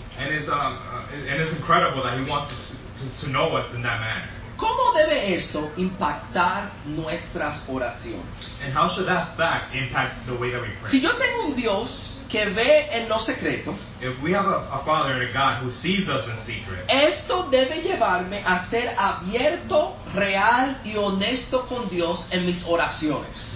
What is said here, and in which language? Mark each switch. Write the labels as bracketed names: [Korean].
[English] And it's incredible that he wants to know us in that manner. [Spanish] ¿Cómo debe eso impactar nuestras oraciones? [English] And how should that fact impact the way that we pray? [Spanish] Si yo tengo un Dios que ve en lo secreto. [English] If we have a father and a God who sees us in secret. [Spanish] Esto debe llevarme a ser abierto, real y honesto con Dios en mis oraciones.